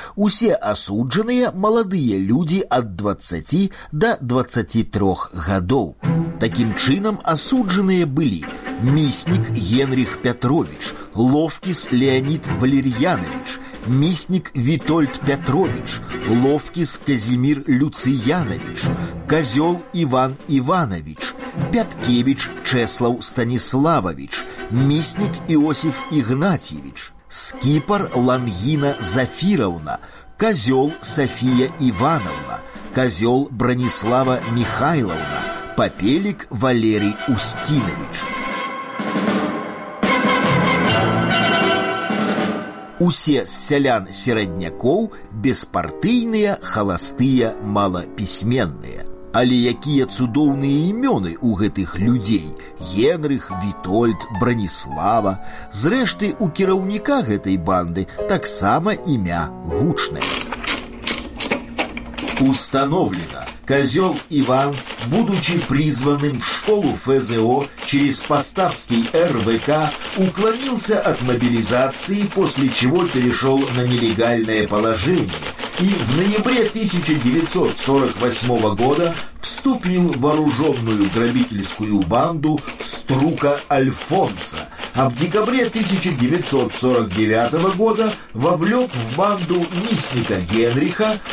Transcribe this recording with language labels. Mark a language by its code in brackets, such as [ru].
[be] Усе асуджаныя маладыя людзі ад 20 да 23 гадоў. Такім чынам асуджаныя былі Мисник Генрих Петрович, Ловкис Леонид Валерьянович, Мисник Витольд Петрович, Ловкис Казимир Люциянович, Козел Иван Иванович, Пяткевич Чеслав Станиславович, Мисник Иосиф Игнатьевич, Скипор Лангина Зафировна, Козел София Ивановна, Козел Бронислава Михайловна, Попелик Валерий Устинович. Усе з сялян сераднякоў беспартыйныя, халастыя, малапісьменныя. Але якія цудоўныя імёны ў гэтых людзей: Генрых, Вітольд, Браніслава. Зрэшты, у кіраўніка гэтай банды таксама імя гучнае. [ru] Установлено. Козел Иван, будучи призванным в школу ФЗО через Поставский РВК, уклонился от мобилизации, после чего перешел на нелегальное положение и в ноябре 1948 года вступил в вооруженную грабительскую банду «Струка Альфонса», а в декабре 1949 года вовлек в банду Мисника Генриха,